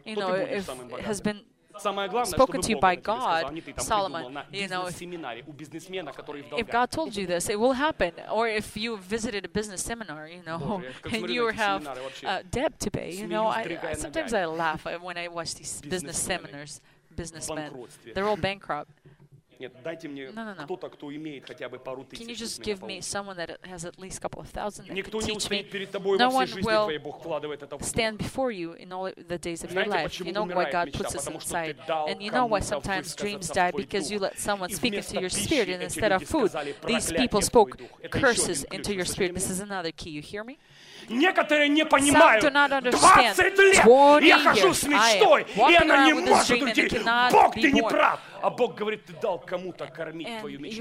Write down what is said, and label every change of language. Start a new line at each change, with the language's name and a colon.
English: You know, if it has been spoken to you by God, Solomon, you know, if God told you this, it will happen. Or if you visited a business seminar, you know, and you have debt to pay, you know, sometimes I laugh when I watch these business seminars, businessmen, they're all bankrupt.
Russian: Нет, дайте мне кто-то, кто имеет хотя бы пару тысяч.
English: Can you just give me someone that has at least a couple of thousand?
Russian: Никто не устоит перед тобой во всей жизни твоей, Бог вкладывает это в тебя.
English: Stand before you in all the days of your life. You know why God puts this inside. And you know why sometimes dreams die because you let someone speak into your spirit, and instead of food, these people spoke curses into your spirit. This is another key. You hear me?
Russian: Некоторые не понимают. 20 лет я хожу с мечтой, и она не может уйти. Бог, ты не прав. А Бог говорит, ты дал кому-то кормить твою мечту.